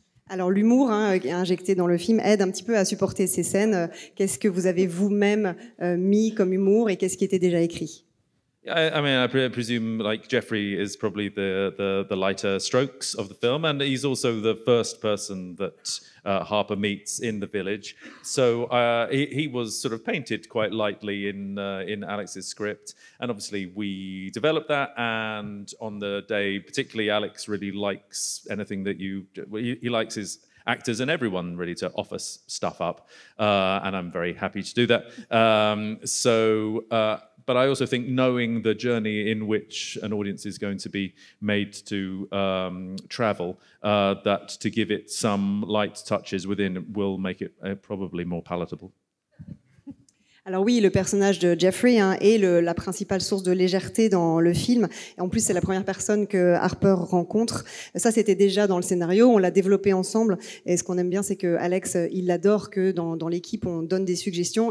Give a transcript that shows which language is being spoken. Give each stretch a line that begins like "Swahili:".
French: Alors l'humour injecté dans le film aide un petit peu à supporter ces scènes. Qu'est-ce que vous avez vous-même mis comme humour et qu'est-ce qui était déjà écrit?
English: I presume like Jeffrey is probably the lighter strokes of the film, and he's also the first person that Harper meets in the village. So he was sort of painted quite lightly in Alex's script, and obviously we developed that. And on the day, particularly Alex really likes anything that you he likes his actors and everyone really to offer stuff up, and I'm very happy to do that. But I also think knowing the journey in which an audience is going to be made to travel, that to give it some light touches within will make it probably more palatable.
French: Alors oui, le personnage de Jeffrey est la principale source de légèreté dans le film. Et en plus, c'est la première personne que Harper rencontre. Ça, c'était déjà dans le scénario. On l'a développé ensemble. Et ce qu'on aime bien, c'est que Alex, il adore que dans l'équipe, on donne des suggestions.